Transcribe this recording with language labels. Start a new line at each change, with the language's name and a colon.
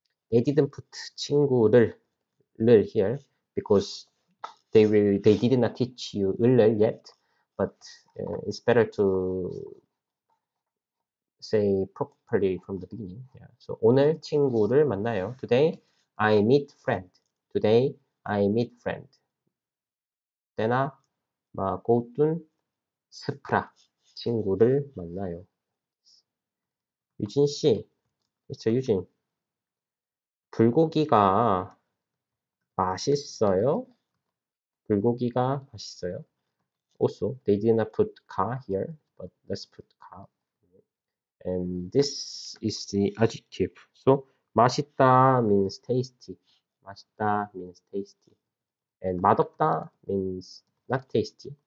English: They didn't put 친구를 here because they did not teach you 을을 yet, but it's better to say properly from the beginning. Yeah.
Korean: So 오늘 친구를 만나요.
English: Today I meet friend. Today I meet friend.
Korean: 때나 마고뚜 스프라 친구를 만나요. 유진 씨, Mr. 유진, 불고기가 맛있어요? 불고기가 맛있어요?
English: Also, they did not put 가 here, but let's put 가. And this is the adjective. So, 맛있다 means tasty. 맛있다 means tasty. And 맛없다 means not tasty.